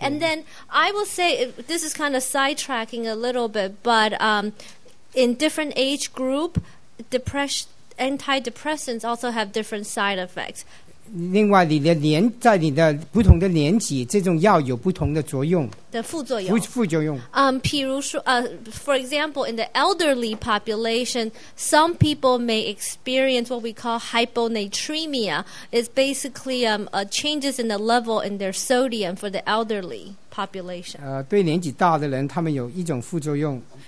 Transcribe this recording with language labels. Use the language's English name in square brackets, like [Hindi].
[English] And then I will say this is kind of sidetracking a little bit, but in different age group, antidepressants also have different side effects. [Chinese] 另外，你的年在你的不同的年纪，这种药有不同的作用。的副作用。副作用。 [English] For example, in the elderly population, some people may experience what we call hyponatremia. It's basically changes in the level in their sodium for the elderly population. [Chinese] 对年纪大的人，他们有一种副作用。